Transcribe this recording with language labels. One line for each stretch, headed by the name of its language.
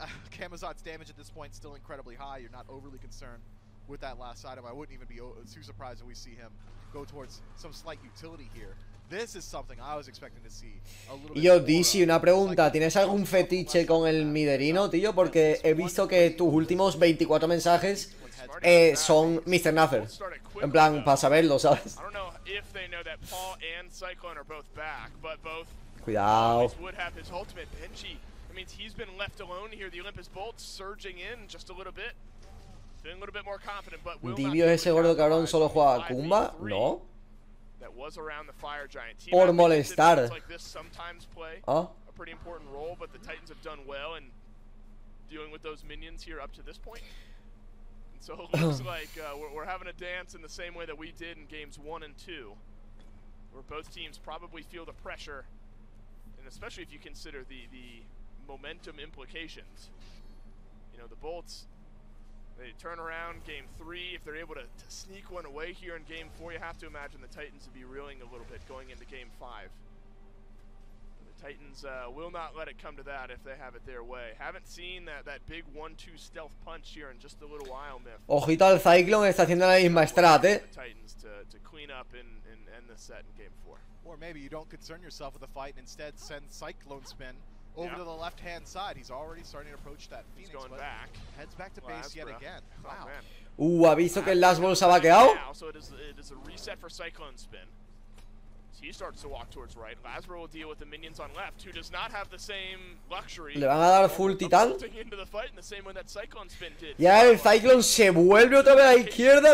English: Kamazot's damage at this point still incredibly high. You're not overly concerned with that last item. I wouldn't even be too surprised if we see him go towards some slight utility here. This is something I was expecting to see.
Spanish: Yo, Dizzy, una pregunta. ¿Tienes algún fetiche con el Midorino, tío? Porque he visto que tus últimos 24 mensajes son Mr. Nuffer. En plan, para saberlo, ¿sabes?
English: I don't know if they know that Paul and Cyclone are both back, but both would have his ultimate Benji. That means he's been left alone here. The Olympus Bolt surging in just a little bit. Feeling a little bit more confident, but will
Spanish: Divio ese gordo cabrón solo juega a Kumba? No.
English: That was around the fire giant.
Spanish: Por molestar.
English: Like this sometimes play. ¿Ah? a pretty important role, but the Titans have done well in dealing with those minions here up to this point. And so it looks like we're having a dance in the same way that we did in games 1 and 2, where both teams probably feel the pressure, and especially if you consider the momentum implications. You know, the Bolts, they turn around game 3. If they're able to sneak one away here in game 4, you have to imagine the Titans would be reeling a little bit going into game 5. The Titans will not let it come to that if they have it their way. Haven't seen that big 1-2 stealth punch here in just a little while, Myth.
Spanish: Ojito al Cyclone, está haciendo la misma estrat, eh.
English: The Titans to clean up and end the set in game 4. Or maybe you don't concern yourself with the fight and instead send Cyclone Spin over to the left-hand side. He's already starting to approach that Phoenix. He's going back. Heads back to base yet again. Wow.
Spanish: Aviso que el Last Ball se ha vaqueado.
English: So it is a reset for Cyclone Spin. So he starts to walk towards right. Lazaro will deal with the minions on left, who does not have the same luxury.
Spanish: Le van a dar full titán.
English: Into the fight in the same way that Cyclone Spin did.
Spanish: Ya el Cyclone se vuelve otra vez a la izquierda.